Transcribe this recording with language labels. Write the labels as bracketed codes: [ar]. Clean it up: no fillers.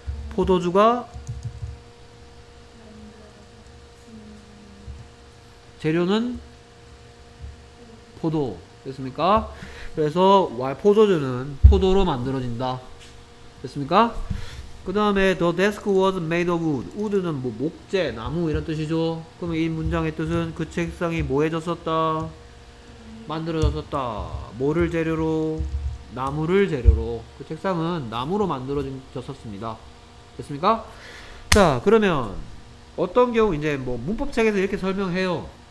[ko] 포도주가 재료는 포도, 됐습니까? 그래서 포도주는 포도로 만들어진다, 됐습니까? 그 다음에 [en] the desk was made of wood. [ko] wood는 뭐 목재, 나무 이런 뜻이죠. 그러면 이 문장의 뜻은 그 책상이 뭐해졌었다? 만들어졌었다. 뭐를 재료로? 나무를 재료로. 그 책상은 나무로 만들어졌었습니다, 됐습니까? 자, 그러면 어떤 경우 이제 뭐 문법책에서 이렇게 설명해요.